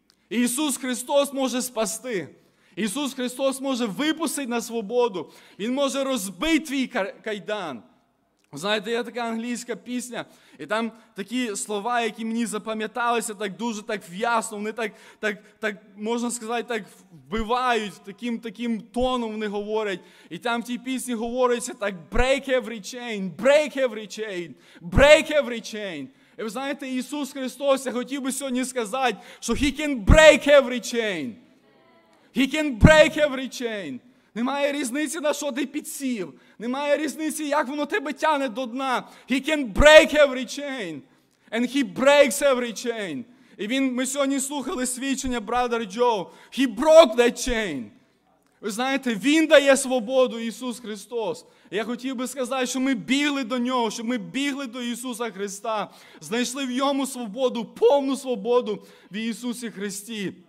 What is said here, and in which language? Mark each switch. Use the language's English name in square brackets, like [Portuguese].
[Ukrainian] Ісус Христос може спасти. Ісус Христос може випустити на свободу. Він може розбити твій кайдан. Знаєте, є така англійська пісня, і там такі слова, які мені запам'яталися так дуже так в'ясно, вони так, можна сказати, так вбивають, таким тоном вони говорять. І там в тій пісні говориться так, [English] break every chain, break every chain, [Ukrainian] break every chain. І ви знаєте, Ісус Христос, я хотів би сьогодні сказати, що [English] He can break every chain. He can break every chain. [Ukrainian] Немає різниці, на що ти підсів. Немає різниці, як воно тебе тягне до дна. [English] He can break every chain. And he breaks every chain. [Ukrainian] І він, ми сьогодні слухали свідчення Brother Joe. [English] He broke that chain. [Ukrainian] Ви знаєте, він дає свободу, Ісус Христос. Я хотів би сказати, що ми бігли до нього, що ми бігли до Ісуса Христа. Знайшли в йому свободу, повну свободу в Ісусі Христі.